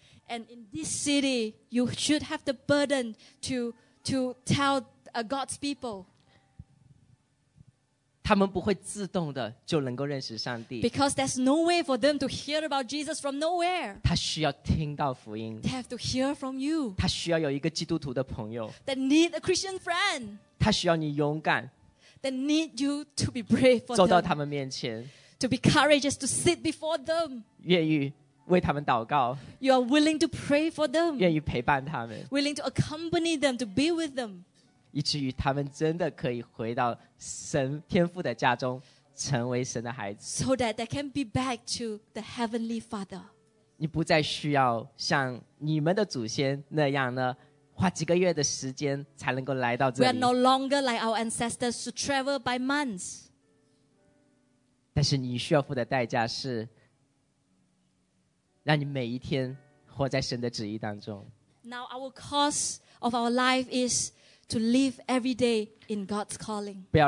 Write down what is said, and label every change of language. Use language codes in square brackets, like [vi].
[en] And in this city, you should have the burden to tell God's people. [zh] 他们不会自动的就能够认识上帝。 [en] Because there's no way for them to hear about Jesus from nowhere. [zh] 他需要听到福音。 [en] They have to hear from you. [zh] 他需要有一个基督徒的朋友。 [en] They need a Christian friend. [zh] 他需要你勇敢。 [en] that need you to be brave for [zh] 走到他们面前, [en] to be courageous to sit before them. [zh] 愿意为他们祷告, [en] you are willing to pray for them. [zh] 愿意陪伴他们, [en] willing to accompany them, to be with them. [zh] 以至于他们真的可以回到神天父的家中, 成为神的孩子, [en] so that they can be back to the Heavenly Father. [zh] 你不再需要像你们的祖先那样呢, 花几个月的时间才能够来到这里。 [en] We are no longer like our ancestors to travel by months. [zh] 但是你需要付的代价是, 让你每一天活在神的旨意当中。 [en] Now our cause of our life is to live every day in God's calling.